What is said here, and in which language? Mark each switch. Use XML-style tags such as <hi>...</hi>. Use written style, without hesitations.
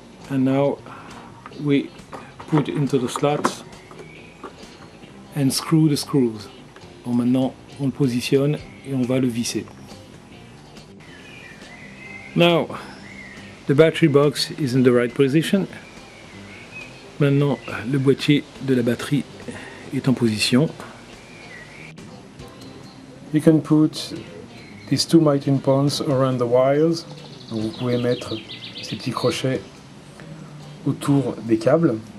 <en>And now we put into the slots and screw the screws.</en> <fr>Bon, maintenant on le positionne et on va le visser.</fr> <en>Now the battery box is in the right position.</en> <fr>Maintenant le boîtier de la batterie est en position.</fr> <en>You can put these two mounting points around the wires.</en> <fr>Donc vous pouvez mettre ces petits crochets autour des câbles.</fr>